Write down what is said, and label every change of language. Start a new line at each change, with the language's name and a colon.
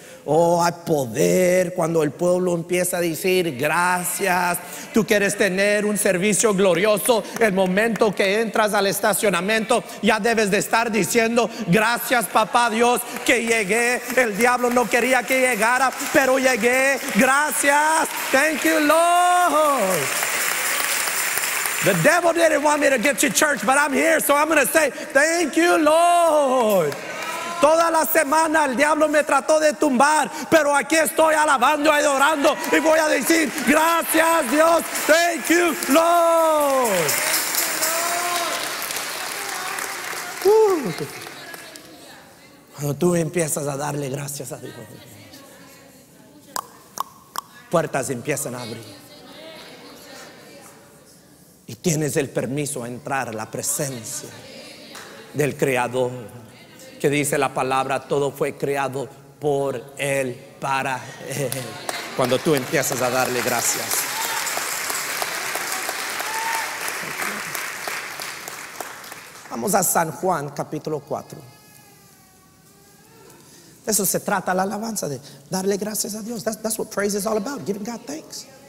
Spanish: Oh, hay poder cuando el pueblo empieza a decir gracias. Tú quieres tener un servicio glorioso. El momento que entras al estacionamiento, ya debes de estar diciendo gracias, papá Dios, que llegué. El diablo no quería que llegara, pero llegué. Gracias.
English: Thank you, Lord. The devil didn't want me to get to church, but I'm here, so I'm going to say thank you, Lord.
Spanish: Toda la semana el diablo me trató de tumbar, pero aquí estoy alabando y adorando y voy a decir gracias, Dios.
English: Thank you, Lord.
Spanish: Cuando tú empiezas a darle gracias a Dios, puertas empiezan a abrir y tienes el permiso a entrar a la presencia del Creador, que dice la palabra, todo fue creado por Él, para Él. Cuando tú empiezas a darle gracias. Vamos a San Juan capítulo 4. Eso se trata la alabanza, de darle gracias a Dios.
English: That's what praise is all about, giving God thanks.